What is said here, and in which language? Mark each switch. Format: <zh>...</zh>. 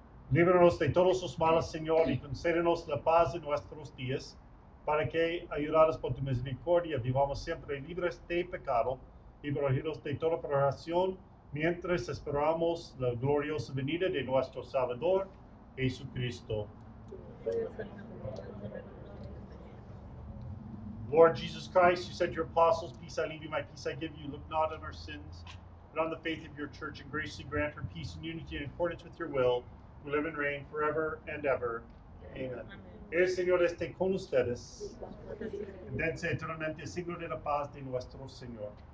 <es>líbranos de todos los males, Señor, y concédenos la paz en nuestros días, para que, ayudados por tu misericordia, vivamos siempre libres de pecado y protegidos de toda perturbación, mientras esperamos la gloriosa venida de nuestro Salvador, Jesucristo.</es> <en>Lord Jesus Christ, you said to your apostles, Peace I leave you, my peace I give you. Look not on our sins, but on the faith of your church, and graciously grant her peace and unity in accordance with your will, who live and reign forever and ever.</en> <es>Amen. Amen. El Señor esté con ustedes. Dense eternamente el signo de la paz de nuestro Señor.</es>